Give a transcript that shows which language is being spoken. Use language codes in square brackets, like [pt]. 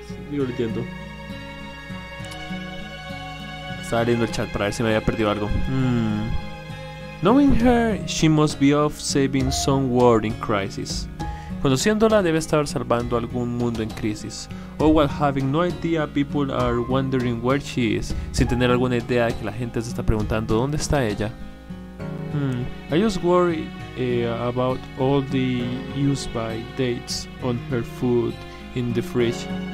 [es] sigo leyendo. Estaba leyendo el chat para ver si me había perdido algo. [en] Knowing her, she must be off saving some world in crisis. [es] Conociéndola, debe estar salvando algún mundo en crisis. [en] Or while having no idea, people are wondering where she is. [es] Sin tener alguna idea de que la gente se está preguntando dónde está ella. [en] I just worry about all the use-by dates on her food in the fridge.